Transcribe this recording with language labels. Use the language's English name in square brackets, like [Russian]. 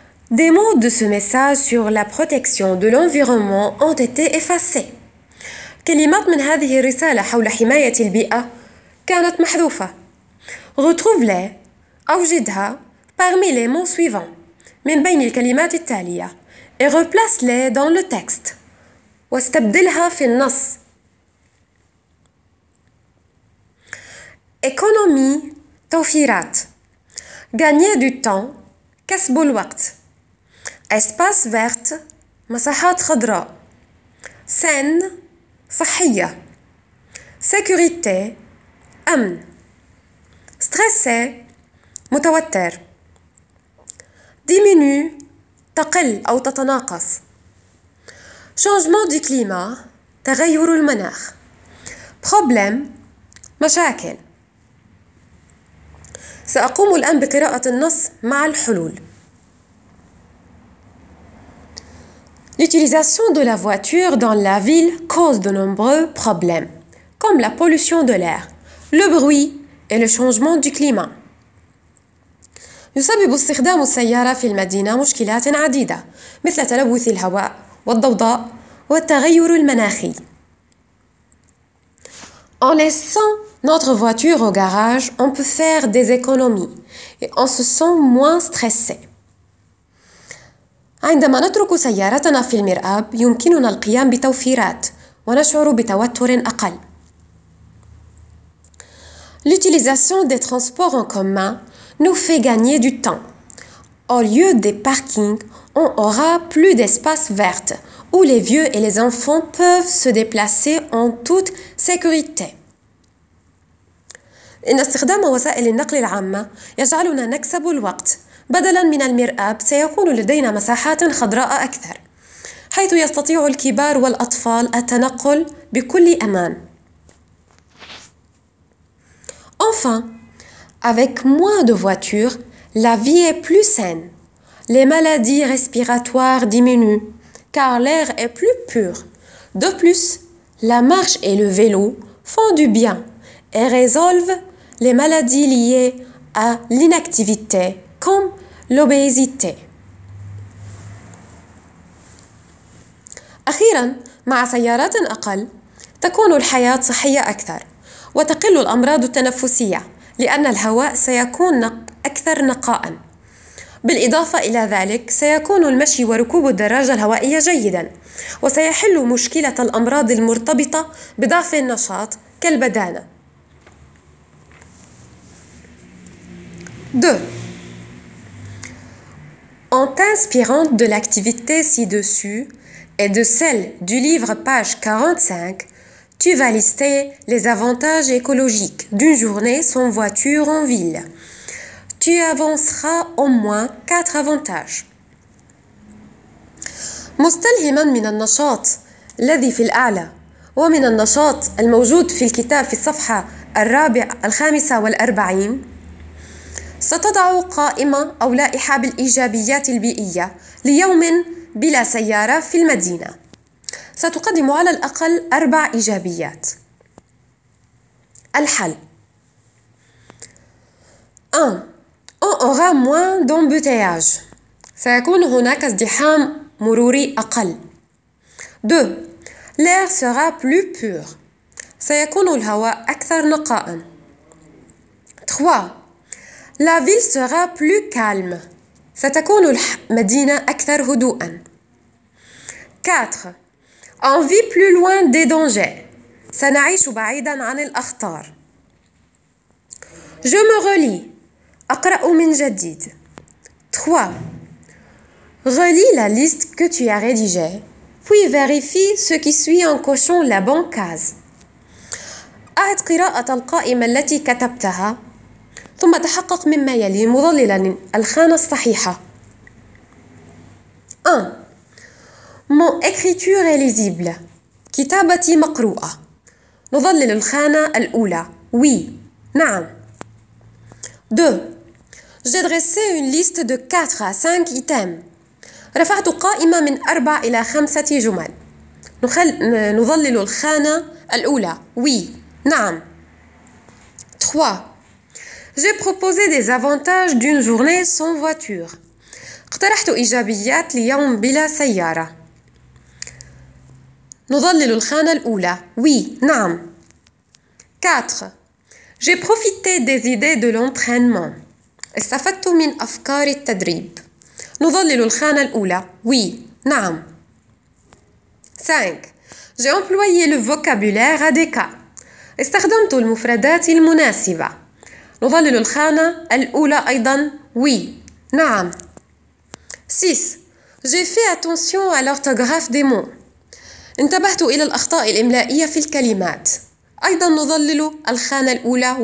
[French] Des mots de ce message sur la protection de l'environnement ont été effacés. [Arabic] كلمات من هذه الرسالة حول حماية البيئة كانت محذوفة. [French] Retrouve-les, [Arabic] أوجدها, [French] parmi les mots suivants, [Arabic] من بين الكلمات التالية, [French] et replace-les dans le texte. [Arabic] واستبدلها في النص. [French] Économie, [Arabic] توفيرات. [French] Gagner du temps, [Arabic] كسب الوقت. [French] Espace vert, [Arabic] مساحات خضراء. [French] Saine, [Arabic] صحية. [French] Sécurité, [Arabic] أمن. [French] Stressé, [Arabic] متوتر. [French] Diminue, [Arabic] تقل أو تتناقص. [French] Changement du climat, [Arabic] تغير المناخ. [French] Problème, [Arabic] مشاكل. سأقوم الآن بقراءة النص مع الحلول. [French] L'utilisation de la voiture dans la ville cause de nombreux problèmes, comme la pollution de l'air, le bruit et le changement du climat. [Arabic] يسبب استخدام السيارة في المدينة مشكلات عديدة مثل تلوث الهواء والضوضاء والتغير المناخي. [French] En laissant notre voiture au garage, on peut faire des économies et on se sent moins stressé. [Arabic] عندما نترك سيارتنا في المرآب يمكننا القيام بتوفيرات ونشعر بتوتر أقل. [French] L'utilisation des transports en commun nous fait gagner du temps. Au lieu des parkings, on aura plus d'espace vert où les vieux et les enfants peuvent se déplacer en toute sécurité. [Arabic] إن استخدام وسائل النقل العامة يجعلنا نكسب الوقت. بدلاً من المرآب سيكون لدينا مساحات خضراء أكثر حيث يستطيع الكبار والأطفال التنقل بكل أمان. [French] Enfin, avec moins de voitures, la vie est plus saine. Les maladies respiratoires diminuent car l'air est plus pur. De plus, la marche et le vélo font du bien et résolvent les maladies liées à l'inactivité comme l'obésité. [Arabic] أخيرا مع سيارات أقل تكون الحياة صحية أكثر وتقل الأمراض التنفسية لأن الهواء سيكون أكثر نقاء. بالإضافة إلى ذلك سيكون المشي وركوب الدراجة الهوائية جيدا وسيحل مشكلة الأمراض المرتبطة بضعف النشاط كالبدانة. 2. [French] En t'inspirant de l'activité ci-dessus et de celle du livre page 45, tu vas lister les avantages écologiques d'une journée sans voiture en ville. Tu avanceras au moins 4 avantages. [Arabic] مستلهما من النشاط الذي في الأعلى ومن النشاط الموجود في الكتاب في الصفحة الرابعة الخامسة والأربعين ستضع قائمة أو لائحة بالإيجابيات البيئية ليوم بلا سيارة في المدينة. ستقدم على الأقل 4 إيجابيات. الحل 1. [French] On aura moins d'embouteillage. [Arabic] سيكون هناك ازدحام مروري أقل. [French] 2. L'air sera plus pur. [Arabic] سيكون الهواء أكثر نقاء. [French] 3. La ville sera plus calme. [Arabic] ستكون المدينة أكثر هدوءا. 4. [French] On vit plus loin des dangers. [Arabic] سنعيش بعيدا عن الأخطار. [French] Je me relis. [Arabic] أقرأ من جديد. 3. [French] Relis la liste que tu as rédigée, puis vérifie ce qui suit en cochant la bonne case. [Arabic] أعد قراءة القائمة التي كتبتها ثم تحقق مما يلي مضللا الخانة الصحيحة. 1. [French] Mon écriture est lisible. [Arabic] كتابتي مقروءة. نظلل الخانة الأولى. [French] Oui. [Arabic] نعم. 2. [French] J'ai dressé une liste de 4 à 5 items. [Arabic] رفعت قائمة من 4 إلى 5 جمل. نظلل الخانة الأولى. [French] Oui. [Arabic] نعم. 3. [French] J'ai proposé des avantages d'une journée sans voiture. [Arabic] اقترحت إيجابيات ليوم بلا سيارة. نظلل الخانة الأولى. [French] Oui. [Arabic] نعم. 4. [French] J'ai profité des idées de l'entraînement. [Arabic] استفدت من أفكار التدريب. نظلل الخانة الأولى. [French] Oui. [Arabic] نعم. 5. [French] J'ai employé le vocabulaire adéquat. [Arabic] استخدمت المفردات المناسبة. نظلل الخانة الأولى أيضا. [French] Oui. [Arabic] نعم. [French] 6. J'ai fait attention à l'orthographe des mots. [Arabic] انتبهت إلى الأخطاء الإملائية في الكلمات. أيضا نظلل الخانة الأولى.